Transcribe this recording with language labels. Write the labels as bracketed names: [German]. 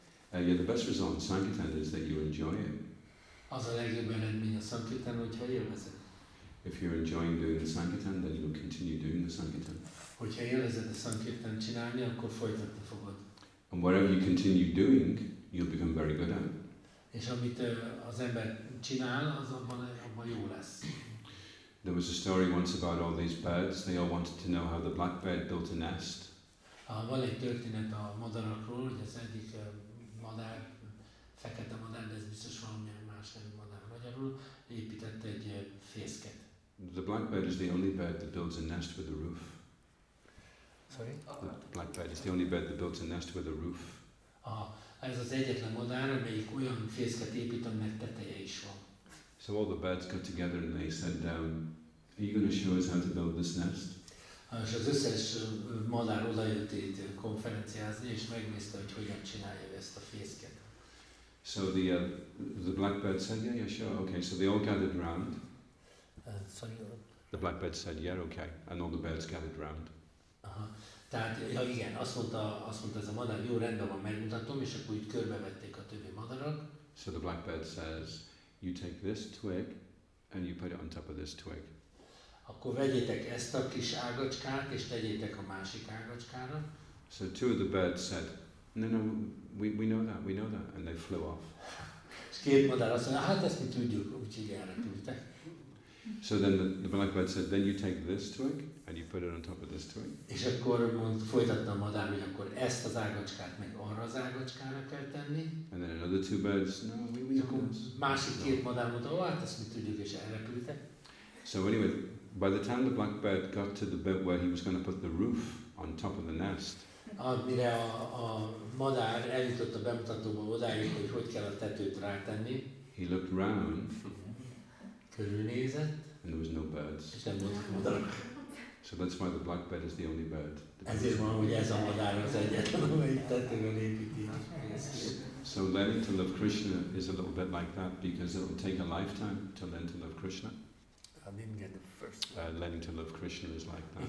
[English] Yeah, the best result on Sankirtan is that you enjoy it. [Hungarian] Az a legjobb eredmény a Sankirtan, hogyha élvezed. [English] If you're enjoying doing the Sankirtan, then you will continue doing the Sankirtan. [Hungarian] Hogyha élvezed a Sankirtan csinálni, akkor folytatni fogod. [English] And whatever you continue doing, you'll become very good at. [Hungarian] És amit az ember csinál, az abban jó lesz. [English] There was a story once about all these birds. They all wanted to know how the blackbird built a nest. [Hungarian] Van egy történet a madarakról, hogy az egyik madár, fekete madár, de ez biztos valamilyen más madár magyarul, épített egy fészket. [English] The blackbird is the only bird that builds a nest with a roof. Sorry? The blackbird is the only bird that builds a nest with a roof. [Hungarian] Ez az egyetlen madár, amelyik olyan fészket épít, aminek teteje is van. [English] So all the birds got together and they sat down. Are you going to show us how to build this nest? [Hungarian] És az összes madár odajött itt konferenciázni, és megnézte, hogy hogyan csinálja ezt a fészket. [English] So the blackbird said, yeah, sure, okay. So they all gathered round. The blackbird said, yeah, okay, and all the birds gathered round. [Hungarian] Tehát, ja igen, azt mondta ez a madár, jó, rendben van, megmutatom, és akkor úgy körbevették a többi madarak. [English] So the blackbird says, you take this twig, and you put it on top of this twig. [Hungarian] Akkor vegyétek ezt a kis ágacskát, és tegyétek a másik ágacskára. [English] So two of the birds said, no, we know that, and they flew off. [Hungarian] És két madár azt mondta, hát ezt mi tudjuk, úgyhogy elrepültek. [English] So then the blackbird said, then you take this twig and you put it on top of this twig. [Hungarian] És akkor folytatta a madár, hogy akkor ezt az ágacskát meg arra az ágacskára kell tenni. [English] And then another two birds, no, we don't. [Hungarian] Másik két madár mondta, hát ezt mi tudjuk, és elrepültek. [English] So anyway, by the time the blackbird got to the bit where he was going to put the roof on top of the nest, [Hungarian] amire a madár eljutott a bemutatóba odáig, hogy kell a tetőt rátenni, [English] he looked round. [Hungarian] Körülnézett. [English] And there was no birds. [Hungarian] És nem volt madarak. [English] So that's why the blackbird is the only bird. [Hungarian] Ezért van, hogy ez a madár az egyetlen, amelyik tetőn építi. [English] So learning to love Krishna is a little bit like that, because it will take a lifetime to learn to love Krishna. I didn't get the first. Learning to love Krishna is like that.